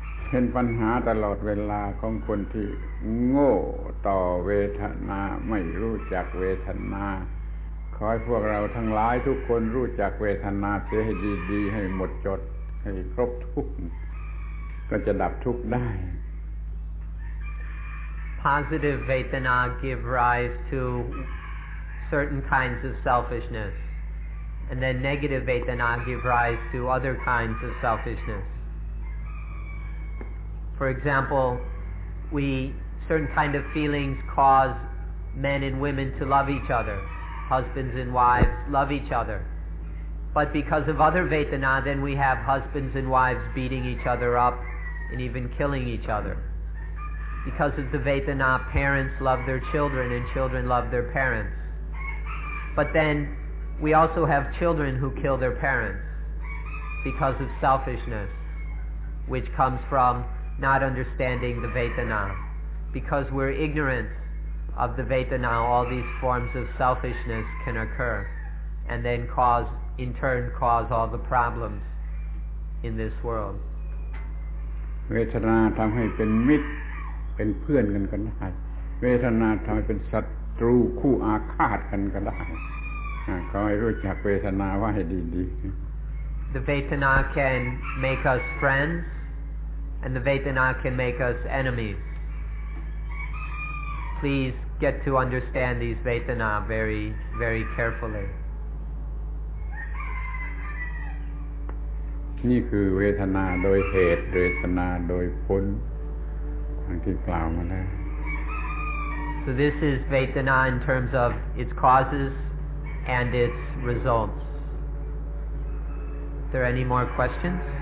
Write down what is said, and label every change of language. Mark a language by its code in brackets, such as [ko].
[th] เป็นปัญหาตลอดเวลาของคนที่โง่ต่อเวทนาไม่รู้จักเวทนาขอให้พวกเราทั้งหลายทุกคนรู้จักเวทนาเสียให้ดีๆให้หมดจดให้ครบทุกข์ก็จะดับทุกข์ได้ [en] Positive vedana give rise to certain kinds of selfishness and then negative vedana give rise to other kinds of selfishnessFor example, certain kind of feelings cause men and women to love each other. Husbands and wives love each other. But because of other vedana, then we have husbands and wives beating each other up and even killing each other. Because of the vedana, parents love their children and children love their parents. But then we also have children who kill their parents because of selfishness, which comes fromNot understanding the vedana, because we're ignorant of the vedana, all these forms of selfishness can occur, and then in turn cause all the problems in this world. [th] Vedana ทำให้เป็นมิตรเป็นเพื่อนกันก็ได้ Vedana ทำให้เป็นศัตรูคู่อาฆาตกันก็ได้ ขอให้รู้จัก Vedana ว่าให้ดีๆ [en] The vedana can make us friends. and the Vedana can make us enemies. Please get to understand these Vedana very, very carefully. [th] นี่คือเวทนาโดยเหตุเวทนาโดยผลทั้งที่กล่าวมาแล้ว [en] So this is Vedana in terms of its causes and its results. Is there any more questions?